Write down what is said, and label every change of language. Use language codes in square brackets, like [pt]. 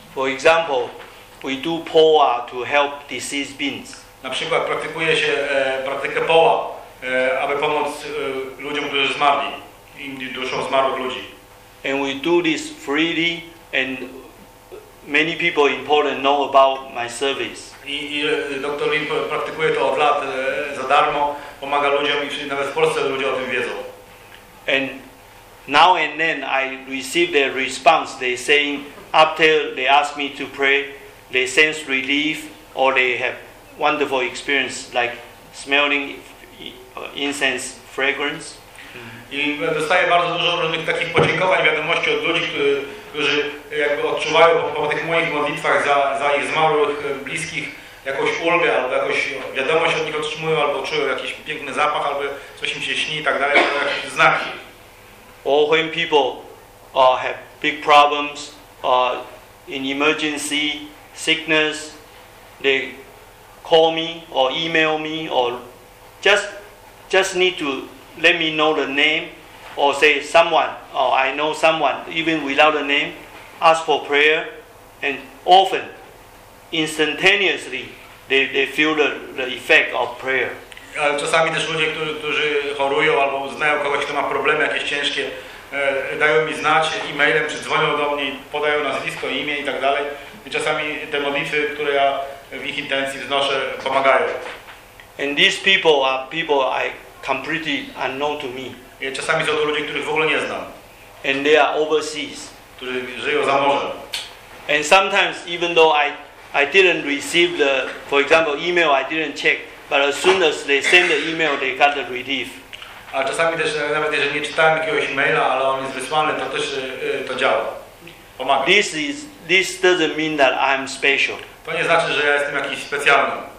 [en] For example, we do poa to help diseased beings. [pl] Na przykład praktykuje się praktykę poa, aby pomóc ludziom, którzy zmarli, duszom zmarłych ludzi. [en] And we do this freely and many people in Poland know about my service. [pl] I doktor Lin praktykuje to od lat za darmo, pomaga ludziom i nawet w Polsce ludzie o tym wiedzą. [en] And now and then I receive their response. They saying after they ask me to pray, they sense relief or they have wonderful experience, like smelling incense fragrance. [pl] I dostaję bardzo dużo różnych takich podziękowań, wiadomości od ludzi, którzy jakby odczuwają po tych moich modlitwach za ich zmarłych bliskich jakąś ulgę, albo jakąś wiadomość od nich otrzymują, albo czują jakiś piękny zapach, albo coś im się śni i tak dalej, albo jakieś znaki. [en] Or when people have big problems, in emergency, sickness, they call me or email me or just need to let me know the name or say someone or I know someone, even without a name, ask for prayer, and often instantaneously they feel the effect of prayer. [pl] Ale czasami też ludzie, którzy chorują albo znają kogoś, kto ma problemy jakieś ciężkie, dają mi znać e-mailem, czy dzwonią do mnie, podają nazwisko, imię i tak dalej. I czasami te modlitwy, które ja w ich intencji wznoszę, pomagają. [en] And these people are people I completely unknown to me. [pl] I czasami są to ludzie, których w ogóle nie znam. [en] And they are overseas. [pl] Którzy żyją za morzem. [en] And sometimes, even though I didn't receive the, for example, email, I didn't check, but as soon as they send the email, they got the relief. [pl] A czasami też, nawet jeżeli nie czytałem jakiegoś maila, ale on jest wysłany, to też to działa. Pomaga. [en] This doesn't mean that I'm special. [pl] To nie znaczy, że ja jestem jakiś specjalny.